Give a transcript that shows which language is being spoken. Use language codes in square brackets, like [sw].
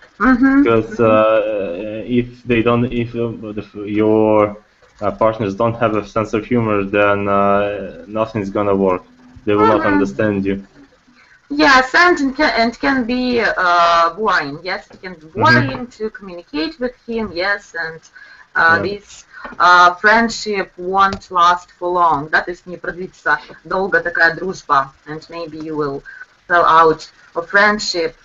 [en] Because if they don't, if your partners don't have a sense of humor, then nothing's gonna work. They will not understand you. Yes, and can be boring. Yes, it can be boring to communicate with him. Yes, and this. Friendship won't last for long. That is [ru] не продлится долго такая дружба. [en] And maybe you will fall out of friendship.